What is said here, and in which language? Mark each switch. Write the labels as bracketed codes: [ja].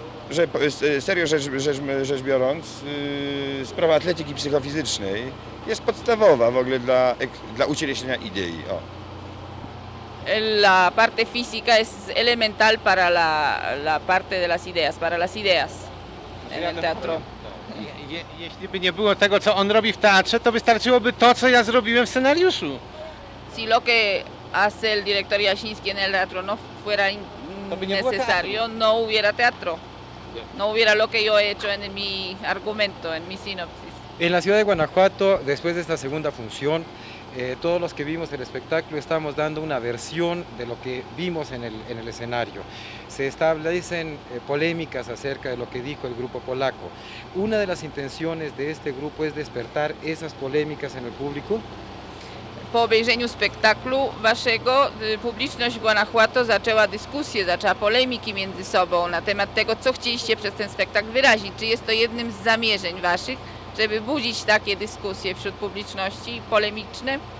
[pl] Że serio rzecz biorąc, sprawa atletyki psychofizycznej jest podstawowa w ogóle dla ucieleśnienia idei. O. [es] La parte física es elemental para la parte de las ideas, para las ideas en el teatro. [pl] Jeśli by nie było tego, co on robi w teatrze, to wystarczyłoby to, co ja zrobiłem w scenariuszu. [es] Si lo que hace el director Jasiński en el teatro no fuera necesario, no hubiera teatro. No hubiera lo que yo he hecho en mi argumento, en mi sinopsis. En la ciudad de Guanajuato, después de esta segunda función, todos los que vimos el espectáculo estamos dando una versión de lo que vimos en el escenario. Se establecen polémicas acerca de lo que dijo el grupo polaco. ¿Una de las intenciones de este grupo es despertar esas polémicas en el público? [pl] Po obejrzeniu spektaklu waszego, publiczność Guanajuato zaczęła dyskusję, zaczęła polemiki między sobą na temat tego, co chcieliście przez ten spektakl wyrazić. Czy jest to jednym z zamierzeń waszych, żeby budzić takie dyskusje wśród publiczności polemiczne?